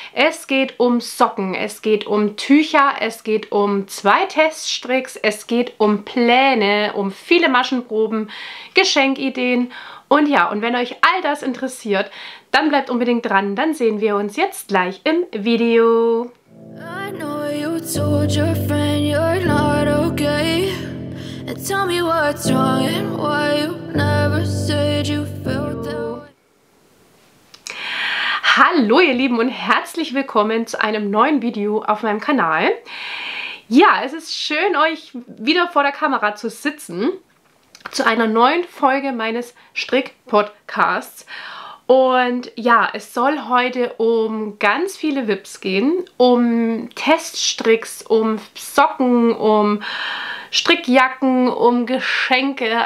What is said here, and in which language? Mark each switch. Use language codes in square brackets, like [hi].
[de] Es geht um Socken, es geht um Tücher, es geht um 2 Teststricks, es geht um Pläne, um viele Maschenproben, Geschenkideen und ja, und wenn euch all das interessiert, dann bleibt unbedingt dran, dann sehen wir uns jetzt gleich im Video. [en] I know you told your friend you're not okay. And tell me what's wrong and why you never said you felt that way. [de] Hallo ihr Lieben und herzlich willkommen zu einem neuen Video auf meinem Kanal. Ja, es ist schön, euch wieder vor der Kamera zu sitzen zu einer neuen Folge meines Strickpodcasts. Und ja, es soll heute um ganz viele Wips gehen, um Teststricks, um Socken, um Strickjacken, um Geschenke.